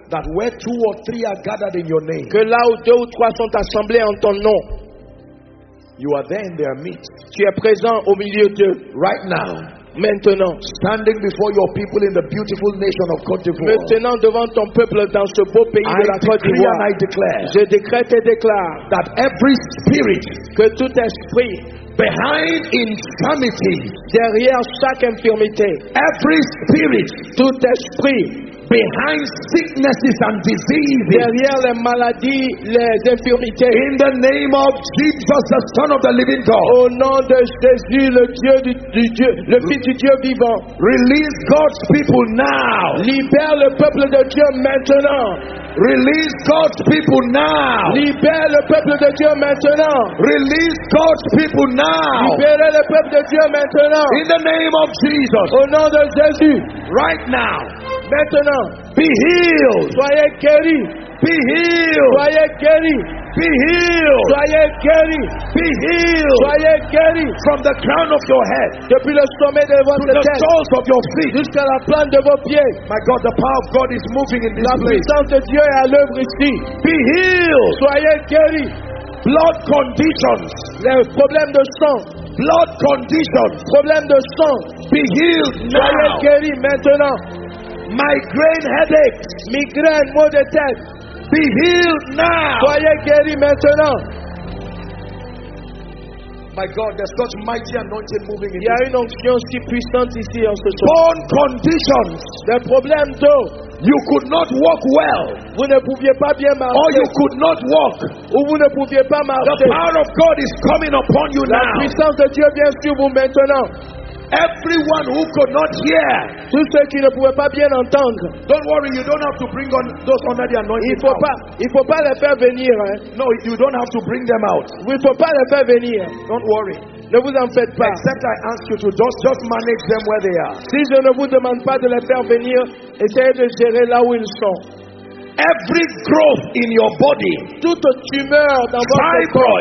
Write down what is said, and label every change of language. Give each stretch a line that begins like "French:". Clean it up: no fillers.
English: that where two or three are gathered in your name,
French: que là où deux ou trois sont assemblés en ton nom,
English: you are there in their midst.
French: Tu es présent au milieu d'eux
English: right now.
French: Maintenant,
English: standing before your people in the beautiful nation of Côte d'Ivoire.
French: Maintenant devant ton peuple dans ce beau pays de la Côte d'Ivoire.
English: And I declare,
French: je décrète et déclare
English: that every spirit,
French: que tout esprit,
English: behind infirmity,
French: derrière chaque infirmité,
English: every spirit,
French: tout esprit,
English: behind sicknesses and diseases,
French: derrière les maladies, les infirmités,
English: in the name of Jesus, the Son of the Living God,
French: au nom de Jésus, le Dieu du Dieu, le Fils du Dieu vivant,
English: release God's people now,
French: libère le peuple de Dieu maintenant,
English: release God's people now,
French: libère le peuple de Dieu maintenant,
English: release God's people now,
French: libère le peuple de Dieu maintenant,
English: in the name of Jesus,
French: au nom de Jésus,
English: right now.
French: Maintenant,
English: be healed.
French: Soyez guéri.
English: Be healed.
French: Soyez guéri.
English: Be healed.
French: Soyez guéri.
English: Be healed.
French: Soyez guéri.
English: From the crown of your head,
French: depuis le sommet de votre tête,
English: to the soles of your feet,
French: jusqu'à la plante de vos pieds.
English: My God, the power of God is moving in this place.
French: La puissance de Dieu est à l'œuvre ici.
English: Be healed.
French: Soyez guéri.
English: Blood conditions.
French: Les problèmes de sang.
English: Blood conditions.
French: Problèmes de sang.
English: Be healed now.
French: Soyez guéri maintenant.
English: Migraine headaches,
French: migraine, maux de tête.
English: Be healed now.
French: Soyez guéri maintenant.
English: My God, there's such mighty anointing moving in.
French: Il y a une onction si puissante ici en ce soir.
English: Bone conditions,
French: des problèmes d'os.
English: You could not walk well.
French: Vous ne pouviez pas bien marcher.
English: Or you could not walk.
French: Ou vous ne pouviez pas marcher.
English: The power of God is coming upon you now.
French: La puissance de Dieu vient sur vous maintenant.
English: Everyone who could not hear,
French: tous ceux qui ne pouvaient pas bien entendre.
English: Don't worry, you don't have to bring on those under the anointing.
French: Il faut pas les faire venir. Hein.
English: No, you don't have to bring them out.
French: Il faut pas les faire venir.
English: Don't worry.
French: Ne vous en faites pas.
English: Except I ask you to just manage them where they are.
French: Si je ne vous demande pas de les faire venir, essayez de gérer là où ils sont.
English: Every growth in your body,
French: toute tumeur dans votre corps,